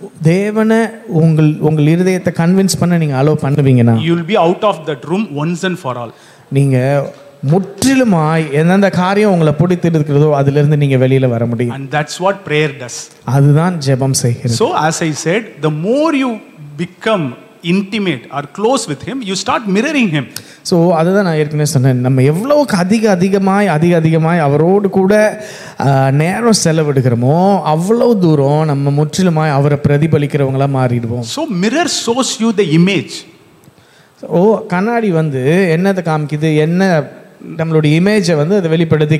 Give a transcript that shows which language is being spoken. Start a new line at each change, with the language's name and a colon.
Tamil: தேவனை உங்கள் இருதயத்தை கன்வின்ஸ் பண்ண நீங்க allow பண்ணுவீங்கன்னா,
English: you will be out of that room once and for all.
Tamil: நீங்க முற்றிலுமாய் எந்தெந்த காரியம் உங்களை பிடித்திருக்கிறதோ அதுல இருந்து நீங்க வெளியில வர முடியும்.
English: And that's what prayer does.
Tamil: அதுதான் ஜெபம் செய்கிறது.
English: So as I said, the more you become intimate or close with him, you start mirroring him.
Tamil: So அதுதான் நான் ஏற்கனவே சொன்னேன், நம்ம எவ்வளவு அதிகமாய் அவரோடு கூட நேரம் செலவிடுகிறோமோ அவ்வளவு தூரம் நம்ம முற்றிலுமாய் அவரை பிரதிபலிக்கிறவங்களா மாறிடுவோம்.
English: So mirror shows you the image.
Tamil: ஓ, கண்ணாடி வந்து என்னத்தை காமிக்குது, என்ன நம்மளுடைய இமேஜை வந்து அதை வெளிப்படுத்தி